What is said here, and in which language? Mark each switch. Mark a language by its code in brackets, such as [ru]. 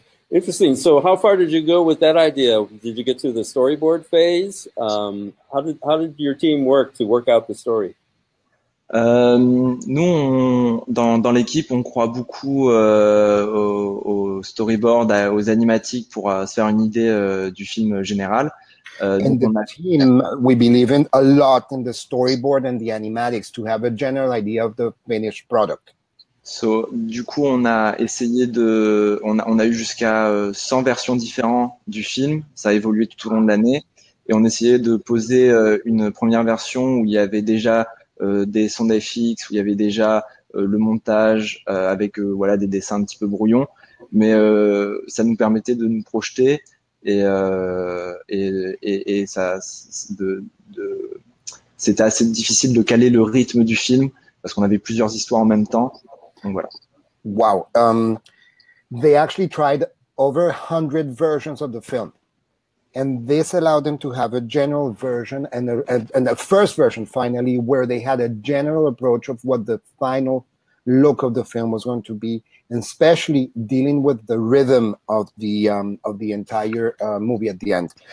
[en] Interesting. So, how far did you go with that idea? Did you get to the storyboard phase? How did your team work to work out the story? [fr] Nous, dans l'équipe, on croit beaucoup au storyboard, aux animatiques pour se faire une idée du film général. [en] And the team, we believe in a lot in the storyboard and the animatics to have a general idea of the finished product. [fr] So, du coup, on a essayé de, on a eu jusqu'à 100 versions différentes du film. Ça a évolué tout au long de l'année. Et on essayait de poser une première version où il y avait déjà des sons FX, où il y avait déjà le montage avec voilà des dessins un petit peu brouillons. Mais ça nous permettait de nous projeter et ça, c'était assez difficile de caler le rythme du film parce qu'on avait plusieurs histoires en même temps. Donc voilà. [en] Wow. They actually tried over 100 versions of the film. And this allowed them to have a general version and a first version, finally, where they had a general approach of what the final look of the film was going to be, especially dealing with the rhythm of the entire movie at the end.